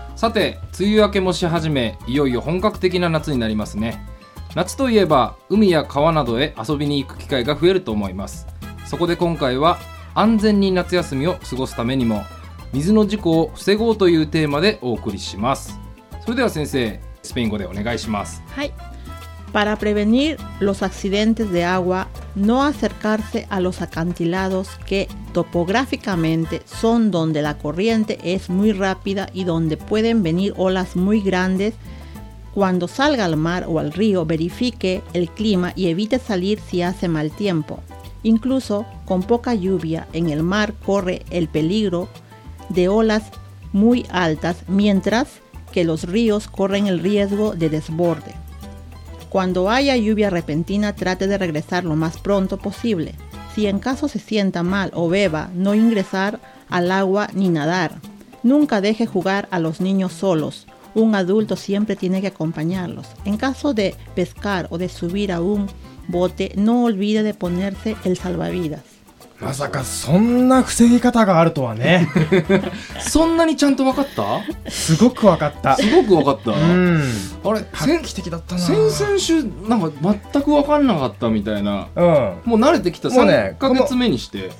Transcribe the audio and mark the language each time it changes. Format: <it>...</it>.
<ja>さて、梅雨明けもし始め、いよいよ本格的な夏になりますね。夏といえば海や川などへ遊びに行く機会が増えると思います。そこで今回は安全に夏休みを過ごすためにも水の事故を防ごうというテーマでお送りします。それでは先生、スペイン語でお願いします。はい。</ja> <es>Para prevenir los accidentes de agua, no acercarse a los acantilados que topográficamente son donde la corriente es muy rápida y donde pueden venir olas muy grandes. Cuando salga al mar o al río, verifique el clima y evite salir si hace mal tiempo. Incluso con poca lluvia en el mar corre el peligro de olas muy altas, mientras que los ríos corren el riesgo de desborde. Cuando haya lluvia repentina, trate de regresar lo más pronto posible. Si en caso se sienta mal o beba, no ingresar al agua ni nadar. Nunca deje jugar a los niños solos. Un adulto siempre tiene que acompañarlos. En caso de pescar o de subir a un bote, no olvide de ponerse el salvavidas.</es> <ja>まさかそんな防ぎ方があるとはね。そんなにちゃんと分かった？すごく分かった。すごく分かった。うん、あれ、画期的だったな。先々週なんか全く分かんなかったみたいな。うん、もう慣れてきた。もうね、3ヶ月目にして。</ja>